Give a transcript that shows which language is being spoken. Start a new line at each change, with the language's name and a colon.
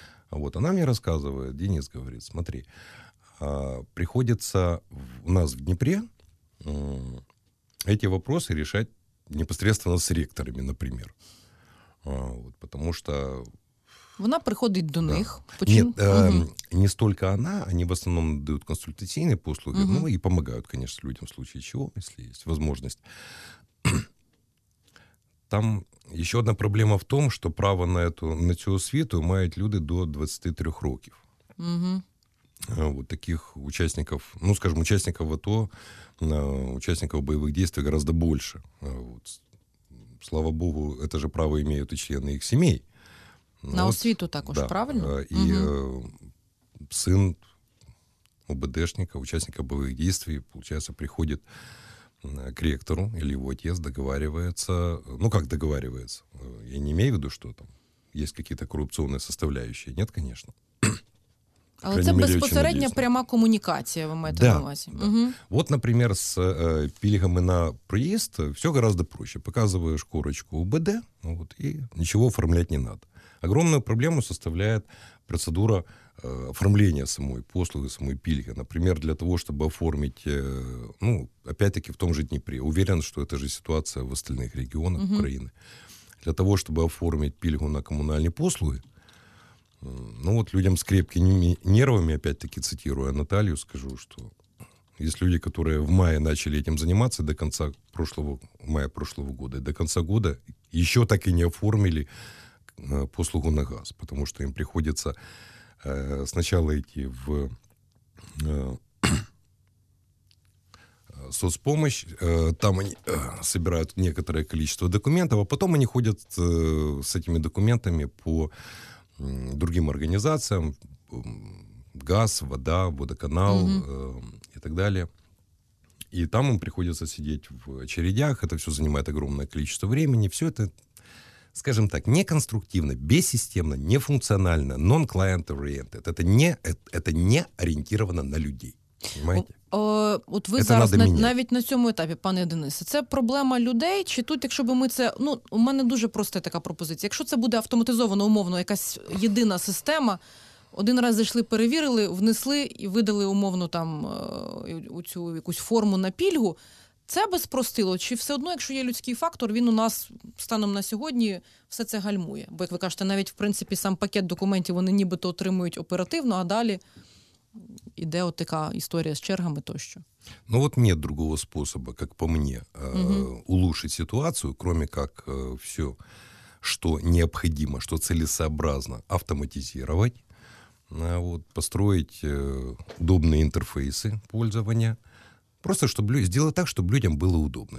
Russian: Вот, она мне рассказывает, Денис говорит, смотри, приходится у нас в Днепре эти вопросы решать непосредственно с ректорами, например. Вот, потому что... Она приходит до них. Да. Нет, не столько она, они в основном дают консультативные послуги, ну и помогают, конечно, людям в случае чего, если есть возможность. Там еще одна проблема в том, что право на
Ukrainian: цю освіту мают люди до 23 років.
Russian: Вот таких участников, ну, скажем, участников АТО, участников боевых действий гораздо больше. Вот. Слава Богу, это же право имеют и члены их семей.
Ukrainian: На вот, освіту також,
Russian: да, правильно? И сын ОБДшника, участника боевых действий, получается, приходит к ректору, или его отец договаривается, ну, как договаривается, я не имею в виду, что там есть какие-то коррупционные составляющие, нет, конечно.
Ukrainian: Але це безпосередня пряма комунікація, ви маєте на увазі.
Russian: Да. Угу.
Ukrainian: От, наприклад, з пільгами на проїзд
Russian: все гораздо проще.
Ukrainian: Показуєш корочку УБД, от, і нічого оформляти не треба. Огромну проблему составляє процедура оформлення самої послуги, самої пільги. Наприклад, для того, щоб оформити, ну,
Russian: опять-таки,
Ukrainian: в тому же Дніпрі. Уверен, що це ж ситуація в остальних регіонах України. Для того, щоб оформити пільгу на комунальні послуги,
Russian: ну вот людям с крепкими нервами, опять-таки цитируя Наталью, скажу, что есть люди, которые в мае начали этим заниматься до конца прошлого, мая прошлого года, и до конца года еще так и не оформили послугу на газ, потому что им приходится сначала идти в соцпомощь, там они собирают некоторое количество документов, а потом они ходят с этими документами по другим организациям, газ, вода, водоканал и так далее. И там им приходится сидеть в очередях, это все занимает огромное количество времени, все это, скажем так, неконструктивно, бессистемно, нефункционально, non-client-oriented, это не ориентировано на людей.
Ukrainian: От ви зараз навіть на цьому етапі, пане Денисе, це проблема людей, чи тут, якщо б ми це, ну, у мене дуже проста така пропозиція, якщо це буде автоматизовано, умовно, якась єдина система, один раз зайшли, перевірили, внесли і видали умовно там у цю якусь форму на пільгу, це би спростило, чи все одно, якщо є людський фактор, він у нас станом на сьогодні все це гальмує? Бо, як ви кажете, навіть, в принципі, сам пакет документів вони нібито отримують оперативно, а далі... Іде от така історія з чергами тощо.
Russian: Ну, от нет другого способу, как по мне, улучшить ситуацию, кроме как все, что необходимо, что целесообразно автоматизировать, вот, построить удобные интерфейсы пользования, просто чтобы сделать так, чтобы людям было удобно.